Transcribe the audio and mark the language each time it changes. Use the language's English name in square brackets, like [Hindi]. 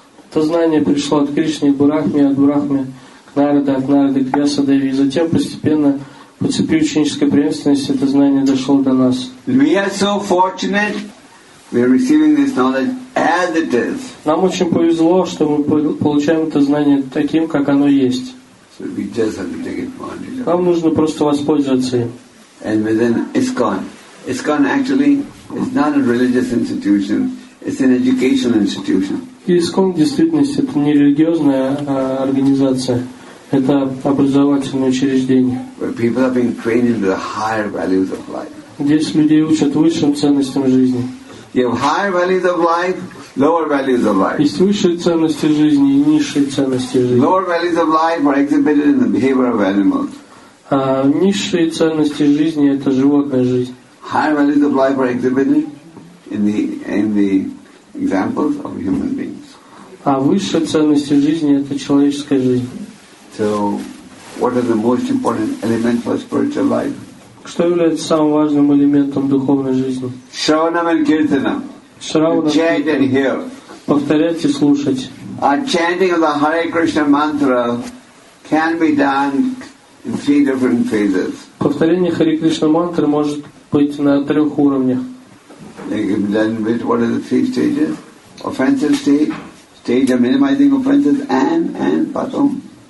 [Russian] То знание пришло от Кришны к Брахме, от Брахмы к Нараде, от Нараде к Вьясадеве, и затем постепенно по цепи ученической преемственности это знание дошло до нас. [English] We are so fortunate we are receiving this knowledge as it is. [Russian] Нам очень повезло, что мы получаем это знание таким, как оно есть. [English] So we just have to take advantage of it. [Russian] Нам нужно просто воспользоваться им. [English] and within ISKCON. ISKCON actually is not a religious institution, it's an educational institution. [Russian] ISKCON, в действительности, это не религиозная организация, это образовательное учреждение. [English] Where people are being trained into the higher values of life. [Russian] Здесь людей учат высшим ценностям жизни. [English] You have higher values of life, lower values of life. [Russian] Есть высшие ценности жизни и низшие ценности жизни. [English] Lower values of life are exhibited in the behavior of animals. [Russian] Низшие ценности жизни — это животная жизнь. [English] Higher values of life are exhibited in the examples of human beings. [Russian] А высшие ценности жизни — это человеческая жизнь. [English] So, what are the most important elements for spiritual life? [Russian] Что является самым важным элементом духовной жизни? Шраванам и киртанам. [English] Chant and hear. [Russian] Повторять и слушать. [English] A chanting of the Hare Krishna mantra can be done in three different phases. [Russian] Повторение Хари Кришна мантры может быть на трех уровнях. [English] Then what are the three stages? Offensive stage of minimizing offenses and [Russian] потом.